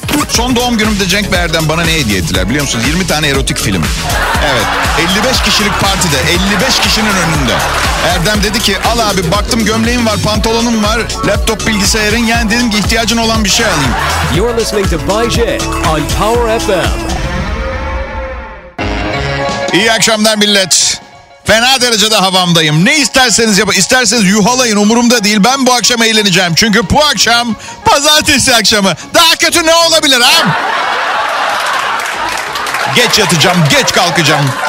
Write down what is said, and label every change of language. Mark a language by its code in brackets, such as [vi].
[tr] Son doğum günümde Cenk Beğer'den bana ne hediye ettiler biliyor musunuz? 20 tane erotik film. Evet. 55 kişilik partide. 55 kişinin önünde. Erdem dedi ki al abi baktım gömleğim var, pantolonum var, laptop bilgisayarın. Yani dedim ki ihtiyacın olan bir şey alayım. [en] You're listening to Bay J on Power FM. [tr] İyi akşamlar millet. Fena derecede havamdayım. Ne isterseniz yapın. İsterseniz yuhalayın. Umurumda değil. Ben bu akşam eğleneceğim. Çünkü bu akşam pazartesi akşamı. Daha kötü ne olabilir ha? Geç yatacağım. Geç kalkacağım.